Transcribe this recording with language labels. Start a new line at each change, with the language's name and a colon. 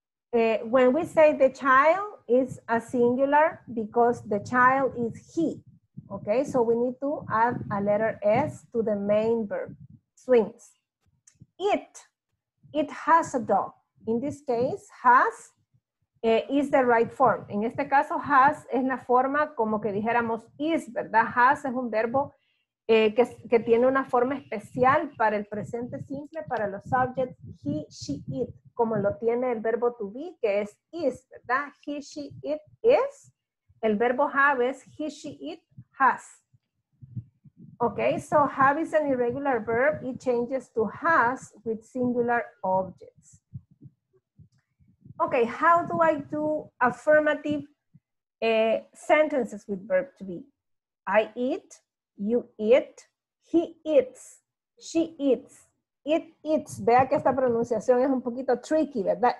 English: When we say the child is a singular because the child is he, okay? So we need to add a letter S to the main verb, swings. It has a dog. In this case, has is the right form.
Spanish: En este caso, has es la forma como que dijéramos is, ¿verdad? Has es un verbo que tiene una forma especial para el presente simple, para los subjects he, she, it, como lo tiene el verbo to be, que es is, ¿verdad? He, she, it, is. El verbo have es he, she, it, has.
English: Okay, so have is an irregular verb. It changes to has with singular objects. Okay, how do I do affirmative sentences with verb to be. I eat, you eat, he eats, she eats, it eats.
Spanish: Vea que esta pronunciación es un poquito tricky, ¿verdad?